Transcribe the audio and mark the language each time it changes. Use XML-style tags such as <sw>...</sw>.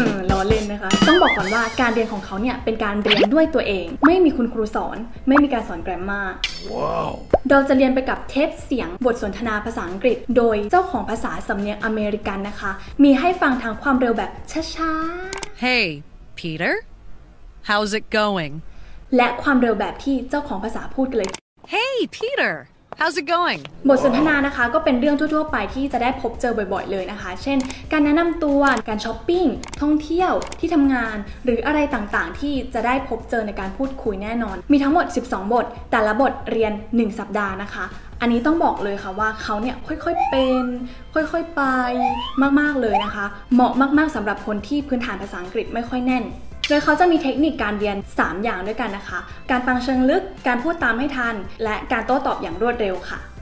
<th>ล้อเล่นนะคะต้องบอกก่อนว่าการเรียนของเขาเนี่ยเป็นการเรียนด้วยตัวเองไม่มีคุณครูสอนไม่มีการสอนแกรมมาเราจะเรียนไปกับเทปเสียงบทสนทนาภาษาอังกฤษโดยเจ้าของภาษาสำเนียงอเมริกันนะคะมีให้ฟังทางความเร็วแบบช้า</th> <en>ๆ Hey Peter How's it going</en> <th>และความเร็วแบบที่เจ้าของภาษาพูดกันเลย</th> <en>Hey Peter How's it going</en> <th>บทสนทนานะคะก็เป็นเรื่องทั่วๆไปที่จะได้พบเจอบ่อยๆเลยนะคะเช่นการแนะนำตัวการช้อปปิ้งท่องเที่ยวที่ทำงานหรืออะไรต่างๆที่จะได้พบเจอในการพูดคุยแน่นอนมีทั้งหมด12บทแต่ละบทเรียน1สัปดาห์นะคะอันนี้ต้องบอกเลยค่ะว่าเขาเนี่ยค่อยๆเป็นค่อยๆไปมากๆเลยนะคะเหมาะมากๆสำหรับคนที่พื้นฐานภาษาอังกฤษไม่ค่อยแน่นโดยเขาจะมีเทคนิคการเรียน3อย่างด้วยกันนะคะการฟังเชิงลึกการพูดตามให้ทันและการโต้ตอบอย่างรวดเร็วค่ะ</th>